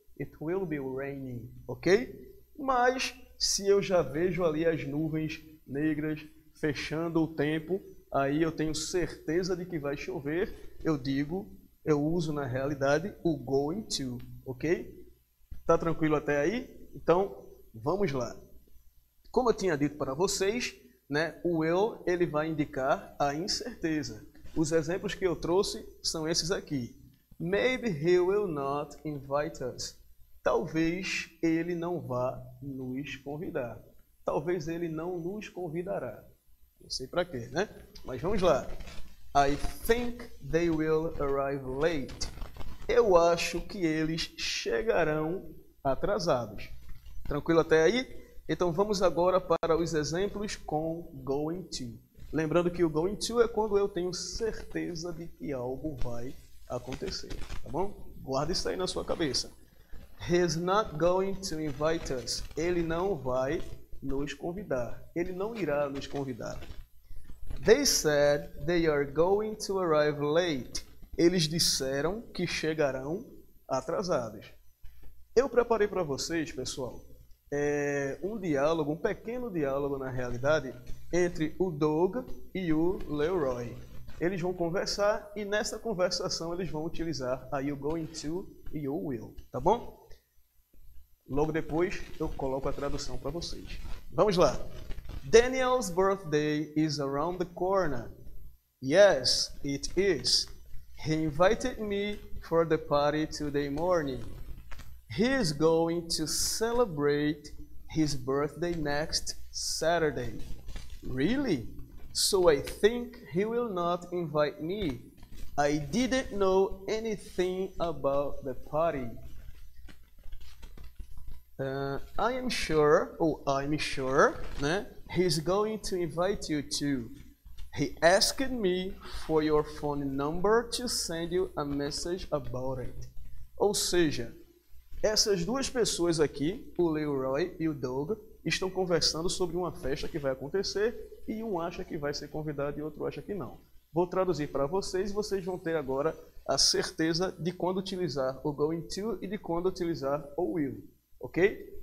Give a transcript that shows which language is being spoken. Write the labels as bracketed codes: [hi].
[en] It will be raining, ok? [pt] Mas se eu já vejo ali as nuvens negras fechando o tempo, aí eu tenho certeza de que vai chover, eu digo, eu uso na realidade o going to, ok? Tá tranquilo até aí? Então, vamos lá. Como eu tinha dito para vocês, né? O will, ele vai indicar a incerteza. Os exemplos que eu trouxe são esses aqui. [en] Maybe he will not invite us. [pt] Talvez ele não vá nos convidar. Talvez ele não nos convidará. Não sei para quê, né? Mas vamos lá. [en] I think they will arrive late. [pt] Eu acho que eles chegarão atrasados. Tranquilo até aí? Então vamos agora para os exemplos com going to. Lembrando que o going to é quando eu tenho certeza de que algo vai acontecer, tá bom? Guarda isso aí na sua cabeça. [en] He's not going to invite us. [pt] Ele não vai nos convidar. Ele não irá nos convidar. [en] They said they are going to arrive late. [pt] Eles disseram que chegarão atrasados. Eu preparei para vocês, pessoal. É um diálogo, um pequeno diálogo na realidade, entre o Doug e o Leroy. Eles vão conversar e nessa conversação eles vão utilizar a you going to e o will, tá bom? Logo depois eu coloco a tradução para vocês. Vamos lá. [en] Daniel's birthday is around the corner. Yes, it is. He invited me for the party today morning. He is going to celebrate his birthday next Saturday. Really? So I think he will not invite me. I didn't know anything about the party. I am sure, [pt] ou [en] oh, I'm sure, [pt] né? [en] He's going to invite you too. He asked me for your phone number to send you a message about it. [pt] Ou seja, essas duas pessoas aqui, o Leroy e o Doug, estão conversando sobre uma festa que vai acontecer e um acha que vai ser convidado e outro acha que não. Vou traduzir para vocês e vocês vão ter agora a certeza de quando utilizar o going to e de quando utilizar o will, ok?